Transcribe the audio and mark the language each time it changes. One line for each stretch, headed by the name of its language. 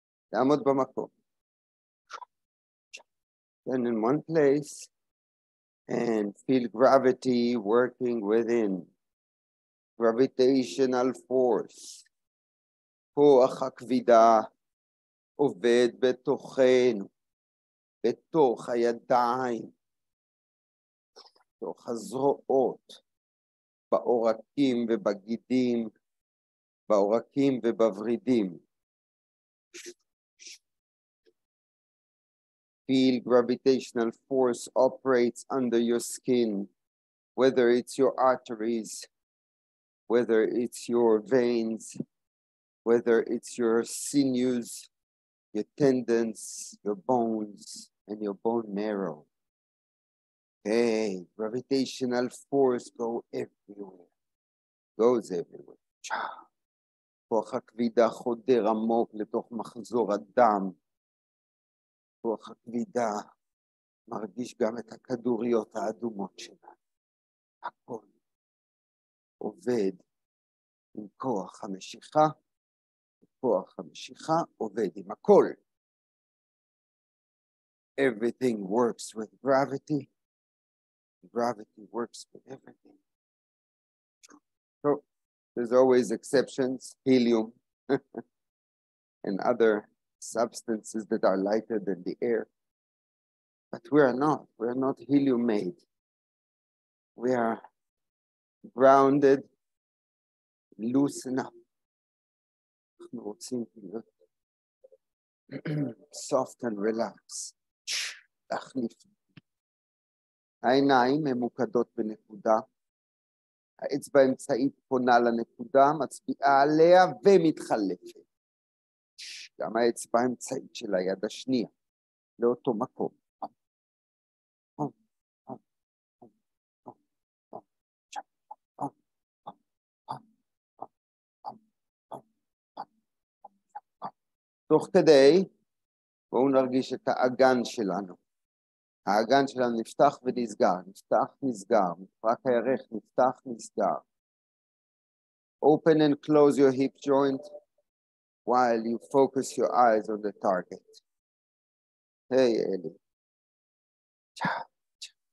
Hebrew: תעמוד במקום.
English: Stand in one place and feel gravity working within. Gravitational force.
Hebrew: כוח הכבידה עובד בתוכנו, בתוך הידיים, בתוך הזרועות, בעורקים ובגידים, בעורקים ובברידים.
English: Feel gravitational force operates under your skin, whether it's your arteries, whether it's your veins, whether it's your sinews, your tendons, your bones, and your bone marrow. Hey, gravitational force go everywhere, goes everywhere.
Hebrew: כוח הכבידה חודר עמוק לתוך מחזור הדם. כוח הכבידה מרגיש גם את הכדוריות האדומות שלנו. הכל עובד עם כוח המשיכה, וכוח המשיכה עובד עם הכל.
English: Everything works with gravity. Gravity works with everything. So, there's always exceptions, helium, and other substances that are lighter than the air. But we are not. We are not helium made. We are grounded, loosen up.
Hebrew: אנחנו רוצים להיות
English: soft and relaxed.
Hebrew: להחליף. העיניים ממוקדות בנקודה. האצבע האמצעית פונה לנקודה, מצביעה עליה ומתחלפת. גם האצבע האמצעית של היד השנייה, לאותו מקום. תוך כדי, בואו נרגיש את האגן שלנו. האגן שלנו נפתח ונסגר, נפתח, נסגר, מפרק הירך, נפתח, נסגר.
English: Open and close your hip joint. While you focus your eyes on the target. Hey, Eli. Cha, cha.